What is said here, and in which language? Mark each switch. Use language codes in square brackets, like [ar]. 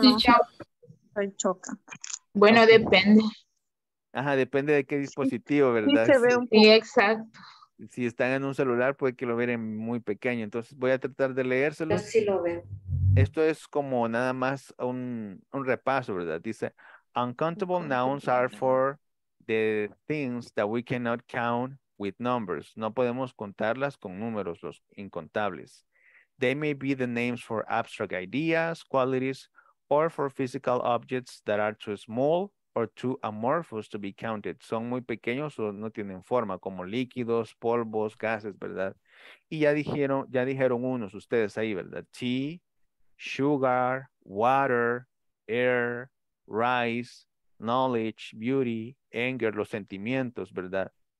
[es] sí, choca. Se choca. Bueno, okay. Depende. Ajá, depende de qué dispositivo, sí, ¿verdad? Sí, se ve un poco. Sí, exacto. Si están en un celular, puede que lo vean muy pequeño. Entonces, voy a tratar de leérselo. Yo sí lo veo. Esto es como nada más un repaso, ¿verdad? Dice, [en] uncountable nouns are for the things that we cannot count with numbers. [es] No podemos contarlas con números, los incontables. [en] They may be the names for abstract ideas, qualities, or for physical objects that are too small or too amorphous to be counted. [es] Son muy pequeños o no tienen forma, como líquidos, polvos, gases, ¿verdad? Y ya dijeron unos ustedes ahí, ¿verdad? [en] Tea, sugar, water, air, rice, knowledge, beauty, anger, [es] los sentimientos, ¿verdad?